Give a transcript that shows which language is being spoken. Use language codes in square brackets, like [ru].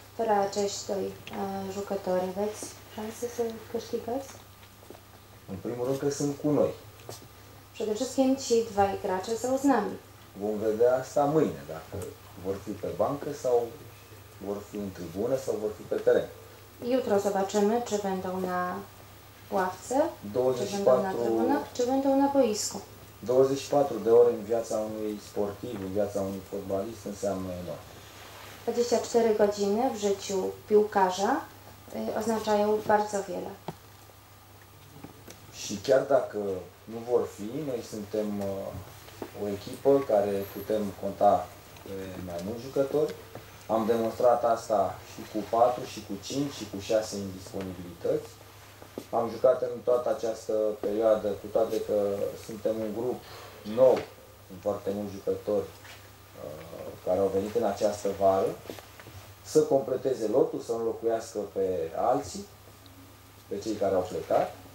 [ro] Fără acești doi jucători, aveți șanse să câștigați? În primul rând că sunt cu noi. Și schimb și dvai grace sau z nami. Vom vedea asta mâine, dacă vor fi pe bancă sau vor fi în tribună sau vor fi pe teren. [pl] Jutro zobaczymy, czy będą na ławce, 24, czy będą na trybunach, czy będą na boisku. [ro] 24 de ore în viața unui sportiv, în viața unui fotbalist înseamnă enorm. [pl] 24 godziny w życiu piłkarza oznaczają bardzo wiele. [ro] Și chiar dacă nu vor fi, noi suntem o echipă care putem conta pe mai mulți jucători. Am demonstrat asta și cu 4, și cu 5, și cu 6 indisponibilități. Am jucat în toată această perioadă, cu toate că suntem un grup nou, cu foarte mulți jucători care au venit în această vară, să completeze lotul, să înlocuiască pe alții, pe cei care au plecat.